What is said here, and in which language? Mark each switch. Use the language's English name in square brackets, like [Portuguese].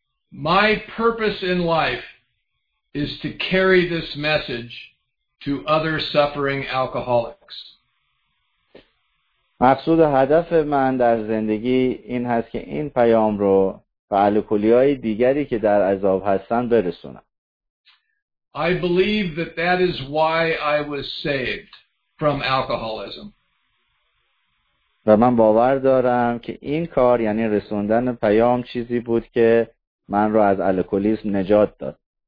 [English] My purpose in life is to carry this message to other suffering alcoholics. [Persian] مقصود هدف من در زندگی این هست که این پیام رو به الکلی‌های دیگری که در عذاب هستن برسونم. [English] I believe that that is why I was saved from alcoholism. [Persian] و من باور دارم که این کار یعنی رسوندن پیام چیزی بود که من رو از الکلیسم نجات داد.